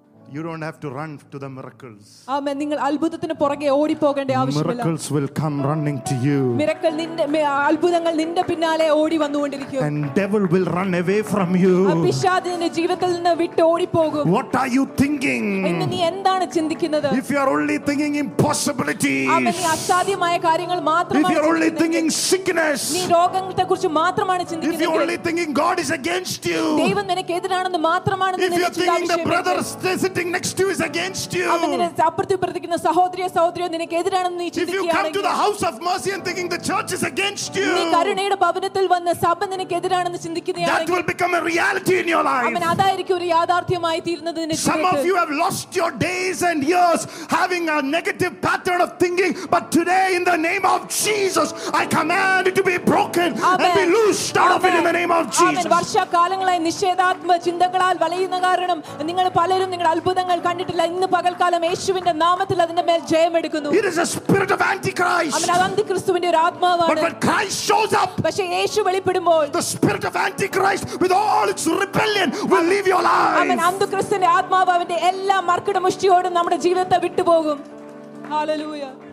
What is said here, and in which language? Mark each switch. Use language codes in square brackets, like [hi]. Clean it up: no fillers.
[en] You don't have to run to the miracles. Amen. [ml] നിങ്ങൾ അത്ഭുതത്തിനു പുറകെ ഓടി പോകേണ്ട ആവശ്യമില്ല. [en] Miracles will come running to you. [ml] Miracles നിന്റെ അത്ഭുതങ്ങൾ നിന്റെ പിന്നാലെ ഓടി വന്നുകൊണ്ടിരിക്കും. [en] And devil will run away from you. [ml] പിശാചിന്റെ ജീവിതത്തിൽ നിന്ന് വിട്ട് ഓടി പോകും. [en] What are you thinking? [ml] ഇന്ന് നീ എന്താണ് ചിന്തിക്കുന്നത്? [en] If you are only thinking impossibilities. [ml] അമ്മേ നീ അസാധ്യമായ കാര്യങ്ങൾ മാത്രമാണ് [en] If you are only thinking sickness. [ml] നീ രോഗങ്ങളെക്കുറിച്ച് മാത്രമാണ് ചിന്തിക്കുന്നത്. [en] If you are only thinking God is against you. [ml] ദൈവം നിനക്കെതിരാണെന്ന് മാത്രമാണ് നീ ചിന്തിക്കുന്നത്. [en] If you are thinking the brother sitting next to you is against you. [ml] അമ്മേ നിന്നെ അപ്രതിപ്രതിക്കുന്ന സഹോദരിയോ നിനക്കെതിരാണെന്ന് നീ ചിന്തിക്കുകയാണെങ്കിൽ [en] If you come to the house of mercy and thinking the church is against you. [ml] നീ കരുണയുടെ ഭവനത്തിൽ വന്ന് സഭ നിനക്കെതിരാണെന്ന് ചിന്തിക്കുകയാണെങ്കിൽ [en] That will become a reality in your life. [ml] അമ്മേ അതായിരിക്കും ഒരു യാഥാർത്ഥ്യമായി തീരുന്നത് നിന്റെ ജീവിതത്തിൽ. [en] Some of you have lost your days and years having a negative pattern of thinking but today in the name of Jesus I command it to be broken Amen. And be loosed out of it in the name of Jesus. [ml] അമ്മേ വർഷ കാലങ്ങളായി നിഷേധാത്മ ചിന്തകളാൽ വലയുന്ന കാരണം നിങ്ങൾ പലരും നിങ്ങളുടെ അത്ഭുതങ്ങൾ കണ്ടിട്ടില്ല ഇന്ന് പകൽക്കാലം യേശുവിന്റെ നാമത്തിൽ അതിന്റെ മേൽ ജയം എടുക്കുന്നു [en] It is a spirit of antichrist [ml] അമ്മേ അന്തിക്രിസ്തുവിന്റെ ഒരു ആത്മാവാണ് [en] But when Christ shows up [ml] പക്ഷേ യേശു വെളിപ്പെടുമ്പോൾ [en] The spirit of antichrist with all its rebellion will leave your life [ml] അമ്മേ അന്തിക്രിസ്തുവിന്റെ ആത്മാവ് അവന്റെ എല്ലാ മർക്കട മുഷ്ടിയോടും നമ്മുടെ ജീവിതത്തെ വിട്ടു പോകും Hallelujah